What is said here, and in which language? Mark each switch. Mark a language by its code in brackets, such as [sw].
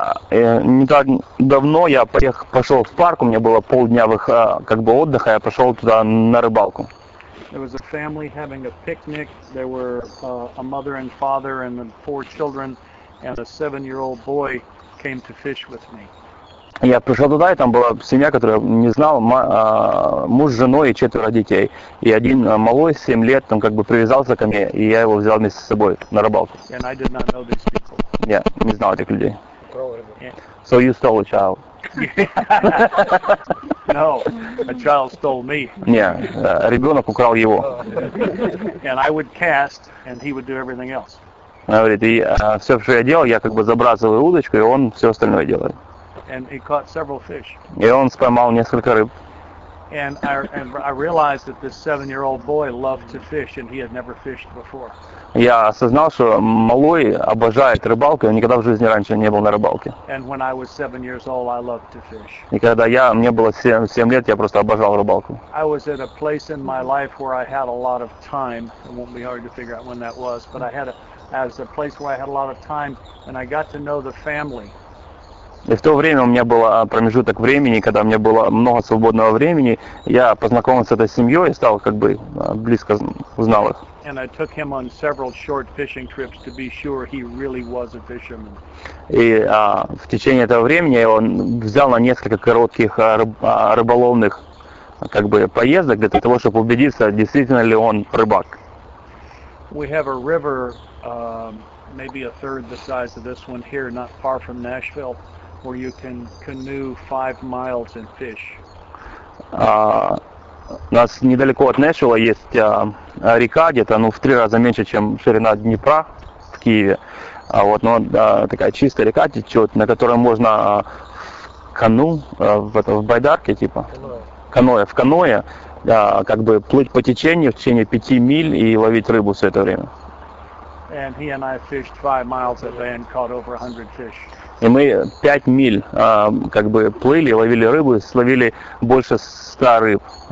[ru] Не так давно я пошел в парк, у меня было полдня как бы отдыха, я пошел туда на рыбалку. [en] There was a family having a picnic. There were a mother and father and four children, and a 7-year-old boy came to fish with me. [ru] Я пришел туда, и там была семья, которую не знал, муж с женой и четверо детей. И один малой, 7 лет, там как бы привязался ко мне, и я его взял вместе с собой на рыбалку. Я не знал этих людей. [en] So you stole a child. No, a child stole me. [ru] Нет, ребенок украл его. [en] And I would cast, and he would do everything else. [ru] Она говорит, и все, что я делал, я как бы забрасываю удочку, и он все остальное делает. [en] And he caught several fish. [ru] И он споймал несколько рыб. [en] And I realized that this 7-year-old boy loved to fish, and he had never fished before. [ru] Я осознал, что малой обожает рыбалку, он никогда в жизни раньше не был на рыбалке. [en] And when I was 7 years old, I loved to fish. [ru] И когда мне было 7 лет, я просто обожал рыбалку. [en] I was at a place in my life where I had a lot of time. It won't be hard to figure out when that was, but I had a place where I had a lot of time, and I got to know the family. [ru] И в то время у меня был промежуток времени, когда у меня было много свободного времени, я познакомился с этой семьей и стал как бы близко знал их. [en] And I took him on several short fishing trips to be sure he really was a fisherman. [ru] И в течение этого времени он взял на несколько коротких рыболовных как бы поездок для того, чтобы убедиться, действительно ли он рыбак. [en] We have a river maybe a third the size of this one here, not far from Nashville, where you can canoe 5 miles and fish. [ru] У нас недалеко от Нэшвилла есть река, где-то в 3 раза меньше, чем ширина Днепра в Киеве. Такая чистая река течет, на которой можно в каноэ плыть по течению в течение 5 миль и ловить рыбу все это время. [en] And he and I fished 5 miles at land, caught over 100 fish. [ru] И мы 5 миль как бы плыли, ловили рыбу, словили больше 100 рыб.